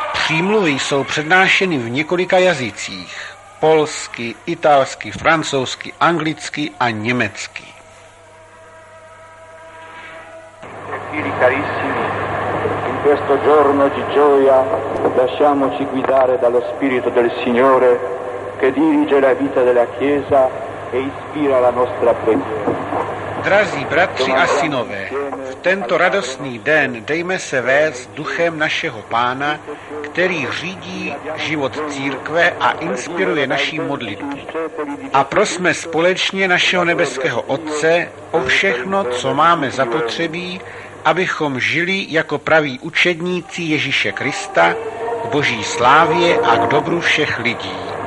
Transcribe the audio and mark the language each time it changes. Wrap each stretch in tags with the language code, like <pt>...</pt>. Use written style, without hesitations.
<cs>výmluvy jsou přednášeny v několika jazycích. Polsky, italsky, francouzsky, anglicky a německy.</cs> <it>In questo giorno di gioia lasciamoci guidare dallo spirito del Signore che dirige la vita della Chiesa e ispira la nostra preghiera.</it> <cs>Drazí bratři a synové, v tento radostný den dejme se vést duchem našeho Pána, který řídí život církve a inspiruje naší modlitby. A prosme společně našeho nebeského Otce o všechno, co máme zapotřebí, abychom žili jako praví učedníci Ježíše Krista, k Boží slávě a k dobru všech lidí.</cs>